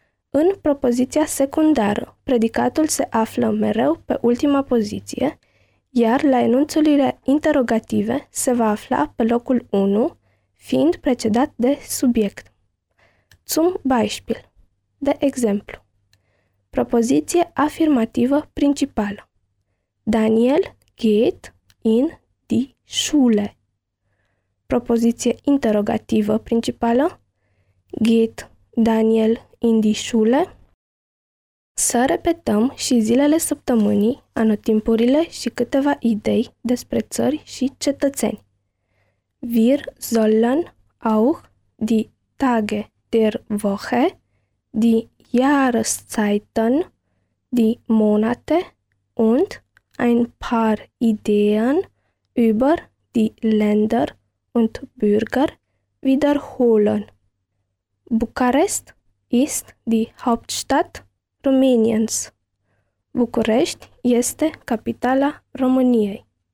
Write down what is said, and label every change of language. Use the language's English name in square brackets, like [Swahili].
[Romanian] În propoziția secundară, predicatul se află mereu pe ultima poziție, iar la enunțurile interrogative se va afla pe locul 1, fiind precedat de subiect. [German] Zum Beispiel, [Romanian] de exemplu, propoziție afirmativă principală. [German] Daniel geht in die Schule. [Romanian] Propoziție interrogativă principală. [German] Geht Daniel in die Schule? [Romanian] Să repetăm și zilele săptămânii, anotimpurile și câteva idei despre țări și cetățeni. [German] Wir sollen auch die Tage der Woche, die Jahreszeiten, die Monate und ein paar Ideen über die Länder und Bürger wiederholen. Bucharest ist die Hauptstadt Rumäniens. [Romanian] București este capitala României.